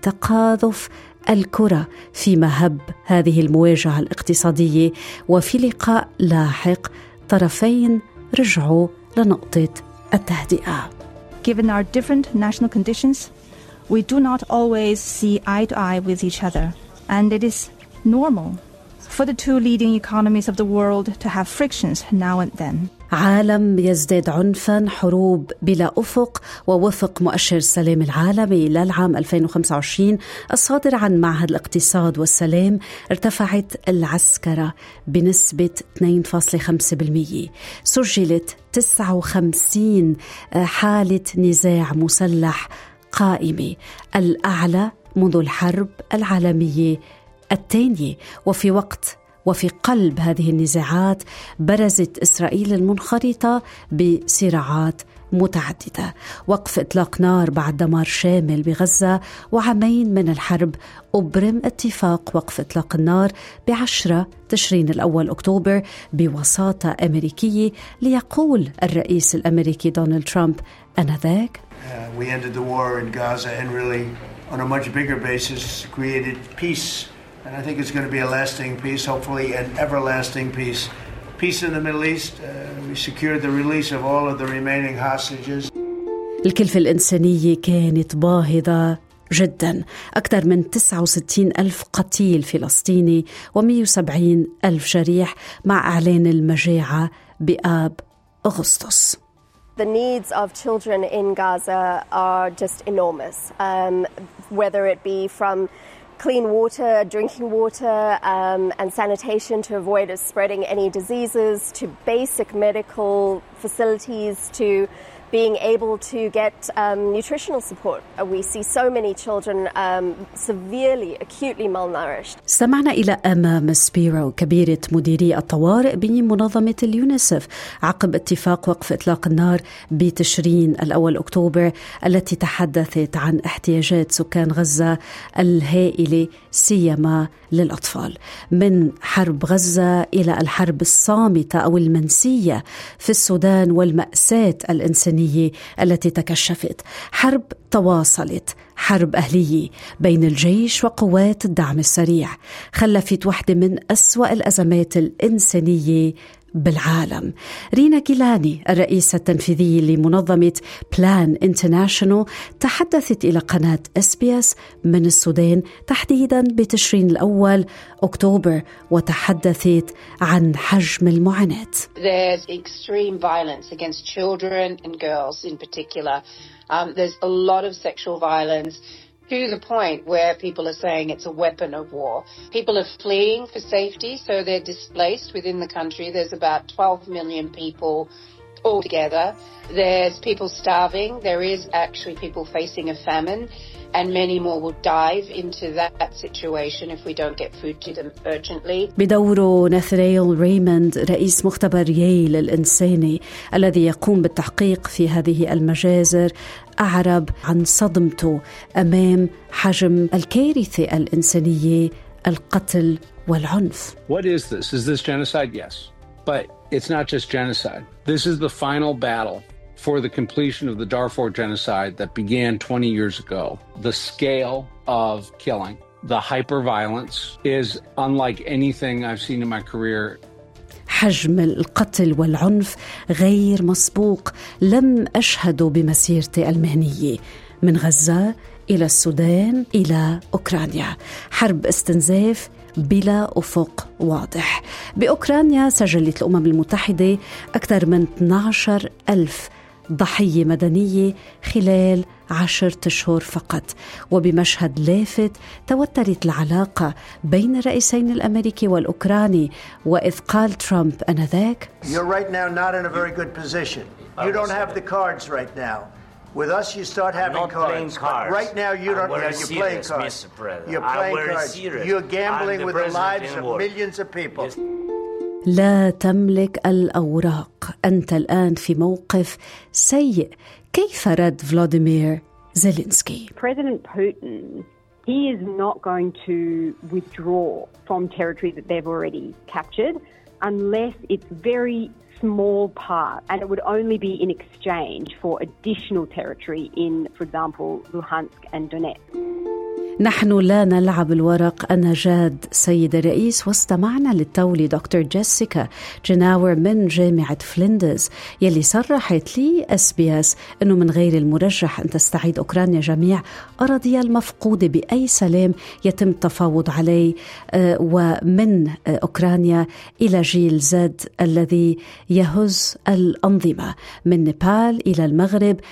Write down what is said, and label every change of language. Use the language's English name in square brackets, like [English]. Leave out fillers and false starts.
[Arabic] التقاذف الكرة في مهب هذه المواجهة الاقتصادية، وفي لقاء لاحق طرفين رجعوا لنقطة التهدئة. [English] Given our different national conditions, we do not always see eye to eye with each other, and it is normal for the two leading economies of the world to have frictions now and then. [Arabic] عالم يزداد عنفا، حروب بلا أفق، ووفق مؤشر السلام العالمي للعام 2025 الصادر عن معهد الاقتصاد والسلام ارتفعت العسكرة بنسبة 2.5%. سجلت 59 حالة نزاع مسلح قائمة، الأعلى منذ الحرب العالمية الثانية. وفي قلب هذه النزاعات برزت إسرائيل المنخرطة بصراعات متعددة، وقف إطلاق نار بعد دمار شامل بغزة وعامين من الحرب أبرم اتفاق وقف إطلاق النار بعشرة تشرين الأول أكتوبر بوساطة أمريكية. ليقول الرئيس الأمريكي دونالد ترامب: أنا ذاك. [English] We ended the war in Gaza and really on a much bigger basis created peace. And I think it's going to be a lasting peace, hopefully an everlasting peace. Peace in the Middle East. We secured the release of all of the remaining hostages. [Arabic] الكلفة الإنسانية كانت باهظة جدا، أكثر من 69 ألف قتيل فلسطيني و 170 ألف جريح مع إعلان المجاعة بآب أغسطس. [English] The needs of children in Gaza are just enormous. Whether it be from clean water, drinking water, and sanitation to avoid spreading any diseases, to basic medical facilities, to being able to get nutritional support. We see so many children severely, acutely malnourished. [Arabic] سمعنا إلى أمام سبيرو كبيرة مديرية الطوارئ بمنظمة اليونيسف عقب اتفاق وقف إطلاق النار بتشرين الأول أكتوبر التي تحدثت عن احتياجات سكان غزة الهائلة سيما للأطفال. من حرب غزة إلى الحرب الصامتة أو المنسية في السودان والمأساة الإنسانية التي تكشفت. حرب تواصلت، حرب أهلية بين الجيش وقوات الدعم السريع، خلفت واحدة من أسوأ الأزمات الإنسانية بالعالم. رينا كيلاني الرئيسة التنفيذية لمنظمة بلان انترناشنال تحدثت إلى قناة SBS من السودان تحديدا بتشرين الأول أكتوبر وتحدثت عن حجم المعاناة. [English] There's extreme violence against children and girls in particular. There's a lot of sexual violence to the point where people are saying it's a weapon of war. People are fleeing for safety, so they're displaced within the country. There's about 12 million people altogether. There's people starving. There is actually people facing a famine, and many more will dive into that situation if we don't get food to them urgently. [Arabic] بدوره ناثانييل ريموند رئيس مختبر ييل الإنساني الذي يقوم بالتحقيق في هذه المجازر أعرب عن صدمته أمام حجم الكارثة الإنسانية القتل والعنف. [English] What is this? Is this genocide? Yes. But it's not just genocide. This is the final battle for the completion of the Darfur genocide that began 20 years ago. The scale of killing, the hyperviolence is unlike anything I've seen in my career. [Arabic] حجم القتل والعنف غير مسبوق لم أشهده بمسيرتي المهنية من غزة إلى السودان إلى أوكرانيا. حرب استنزاف بلا أفق واضح. بأوكرانيا سجلت الأمم المتحدة أكثر من 12 ألف ضحية مدنية خلال 10 أشهر فقط، وبمشهد لافت توترت العلاقة بين الرئيسين الأمريكي والأوكراني وإذ قال ترامب أنذاك. [English] You're right now not in a very good position. You don't have the cards right now. With us you start having cards. Right now you don't have your playing cards. You're playing cards. You're gambling with the lives of millions of people. [Arabic] لا تملك الأوراق، أنت الآن في موقف سيء. كيف رد فلاديمير زيلينسكي؟ [English] President Putin, he is not going to withdraw from territory that they've already captured unless it's very small part and it would only be in exchange for additional territory in, for example, Luhansk and Donetsk. [Arabic] نحن لا نلعب الورق أنا جاد سيد الرئيس. واستمعنا للتو دكتور جيسيكا جناور من جامعة فليندرز يلي صرحت لي SBS أنه من غير المرجح أن تستعيد أوكرانيا جميع أراضي المفقودة بأي سلام يتم التفاوض عليه، ومن أوكرانيا إلى جيل زاد الذي يهز الأنظمة من نيبال إلى المغرب.